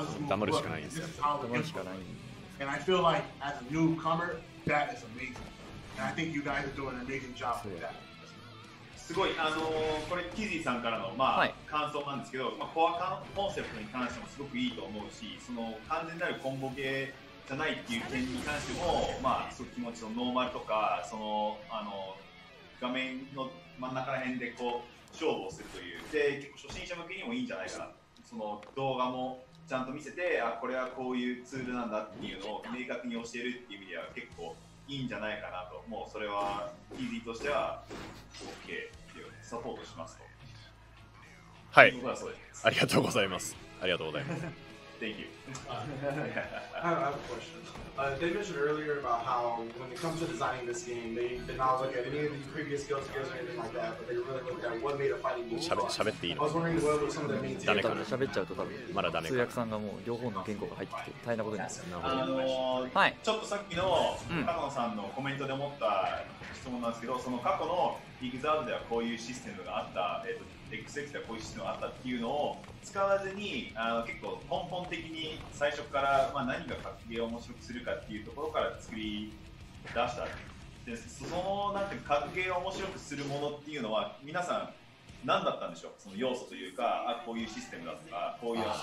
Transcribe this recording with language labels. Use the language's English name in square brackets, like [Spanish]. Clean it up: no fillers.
[English] And I feel like as a newcomer, that is amazing. And I think you guys are doing an amazing job with that. [Japanese] すごい、これキズィさんからの、まあ、はい、感想なんですけど、まあ、コアコンセプトに関してもすごくいいと思うし、その完全なるコンボゲーじゃないっていう点に関しても、まあ、そういう気持ちのノーマルとか、その画面の真ん中ら辺でこう勝負をするという、で結構初心者向けにもいいんじゃないかな、その動画もちゃんと見せて、あ、これはこういうツールなんだっていうのを明確に教えるっていう意味では結構いいんじゃないかなと、もうそれはキズィとしては。 OK、サポートしますと。はい、ありがとうございます。ありがとうございます。 [English] Thank you. I have a question. They mentioned earlier about how when it comes to designing this game, they did not look at any of the previous skills or anything like that, but they really looked at what made a fighting move. [Japanese] しゃべっていいの? [English] I was wondering what were some of the main things. [Japanese] ダメかな? しゃべっちゃうと多分まだダメか。通訳さんがもう両方の言語が入ってきて大変なことになる。なるほど。はい。ちょっとさっきの高野さんのコメントで思った質問なんですけど、その過去のビッグザードではこういうシステムがあった、XX ではこういうシステムがあったっていうのを使わずに、結構根本的に最初から、まあ、何が格ゲーを面白くするかっていうところから作り出したで、そのなんて格ゲーを面白くするものっていうのは皆さん何だったんでしょう、その要素というか、あ、こういうシステムだとか、こういう、